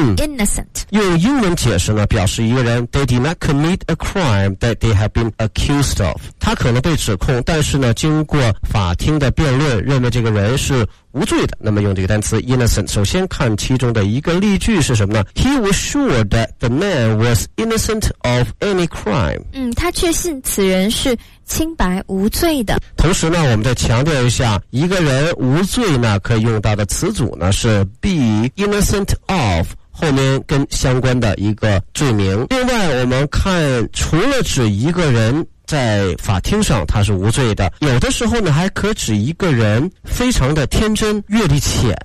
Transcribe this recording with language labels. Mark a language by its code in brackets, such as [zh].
[en] innocent [zh] 用英文解释呢，表示一个人 [en] they did not commit a crime that they have been accused of， [zh] 他可能被指控，但是呢经过法庭的辩论认为这个人是无罪的，那么用这个单词 innocent。首先看其中的一个例句是什么呢？ [en] He was sure that the man was innocent of any crime。 [zh] 他确信此人是清白无罪的。同时呢我们再强调一下，一个人无罪呢可以用到的词组呢是 [en] be innocent of， [zh] 后面跟相关的一个罪名。另外我们看除了指一个人在法庭上他是无罪的，有的时候呢还可指一个人非常的天真、阅历浅。